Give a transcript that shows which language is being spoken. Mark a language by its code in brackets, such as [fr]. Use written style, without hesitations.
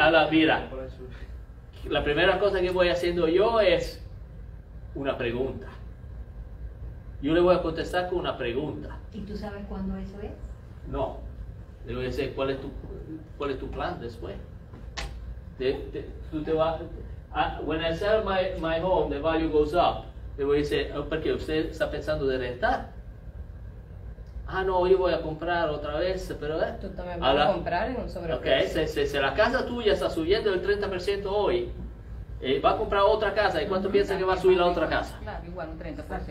[es] Mira, la primera cosa que voy haciendo yo es una pregunta. Yo le voy a contestar con una pregunta. ¿Y tú sabes cuándo eso es? No. Le voy a decir, ¿cuál es tu plan después? [en] When I sell my home, the value goes up. [es] Le voy a decir, porque usted está pensando de rentar. Ah, no, yo voy a comprar otra vez, pero tú también vas a comprar en un sobreprecio. Ok, si la casa tuya está subiendo el 30% hoy, va a comprar otra casa, ¿y cuánto piensa que va a subir la otra casa? Claro, igual un 30%.